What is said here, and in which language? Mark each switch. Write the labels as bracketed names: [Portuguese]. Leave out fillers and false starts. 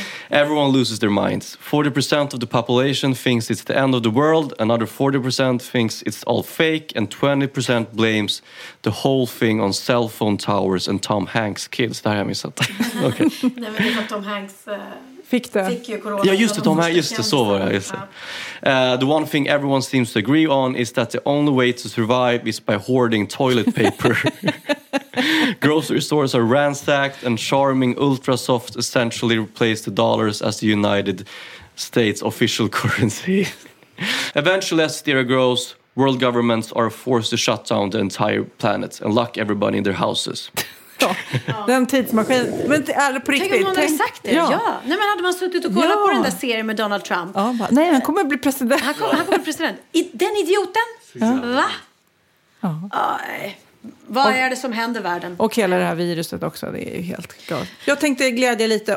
[English] Everyone loses their minds. 40% of the population thinks it's the end of the world. Another 40% thinks it's all fake. And 20% blames the whole thing on cell phone towers and Tom Hanks kids. [Swedish] Det här har jag missat. [English] Okay. [Swedish] Nej, men det är att Tom Hanks... Fick det. Fick ju ja, just det, de här, just det, så var det. Just det. [English] The one thing everyone seems to agree on is that the only way to survive is by hoarding toilet paper. Grocery stores are ransacked and charming ultra-soft essentially replaced the dollars as the United States official currency. Eventually, as theory grows, world governments are forced to shut down the entire planet and lock everybody in their houses. [Swedish] Ja. Den tidsmaskinen. Men det är på riktigt. Tänk om någon hade sagt det. Ja. Ja. Nej, men hade man suttit och kollat på den där serien med Donald Trump. Ja, bara, nej, han kommer bli president. Han kommer bli president. Den idioten? Ja. Va? Ja. Vad är det som händer i världen? Och hela det här viruset också. Det är ju helt klart. Jag tänkte glädja lite.